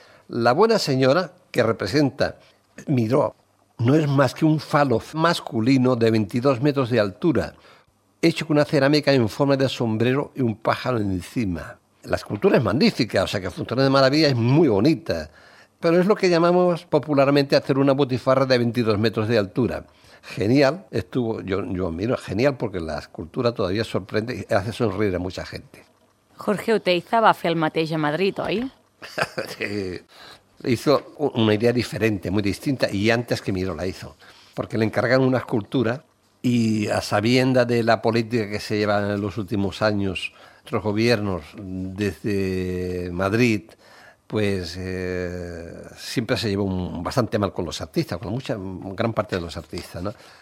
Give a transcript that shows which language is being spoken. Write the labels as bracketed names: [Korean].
[Spanish] La buena señora que representa Miró no es más que un falo masculino de 22 metros de altura, hecho con una cerámica en forma de sombrero y un pájaro encima. La escultura es magnífica, o sea que funciona de maravilla, es muy bonita, pero es lo que llamamos popularmente hacer una butifarra de 22 metros de altura. Genial, estuvo, yo miro, genial, porque la escultura todavía sorprende y hace sonreír a mucha gente. [Catalan] Jorge Oteiza va fer el mateix a Madrid, oi? [Spanish] Sí. Hizo una idea diferente, muy distinta, y antes que Miró la hizo, porque le encargaron una escultura y a sabienda de la política que se lleva en los últimos años los gobiernos desde Madrid, pues siempre se llevó bastante mal con los artistas, con gran parte de los artistas, ¿no?